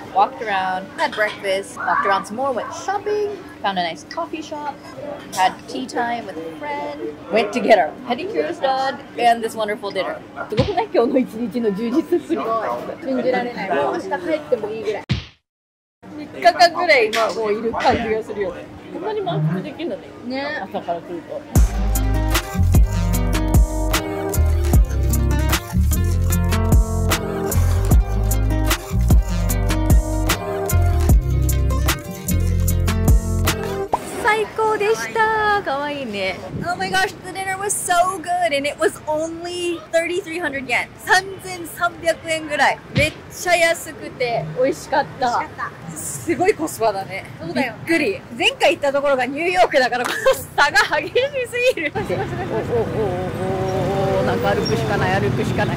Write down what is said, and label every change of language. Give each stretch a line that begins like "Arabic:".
English: Walked around, had breakfast, walked around some more, went shopping, found a nice coffee shop, had tea time with a friend, went to get our pedicures done, and this wonderful dinner.
Japanese: すごくない?今日の一日の充実っぷり。すごい。信じられない。もう明日帰ってもいいぐらい。 3日間ぐらい今もういる感じがするよね。こんなに満腹できるのね。ね。朝から来ると。
English: Oh my gosh, the dinner was so good and it was only 3,300 yen.
Japanese: 3,300 yen ぐらい。めっちゃ安くて美味しかった。美味しかった。すごいコスパだね。そうだよ。びっくり。前回行ったところがニューヨークだから、この差が激しすぎる。おおおおおなんか歩くしかない、歩くしかない。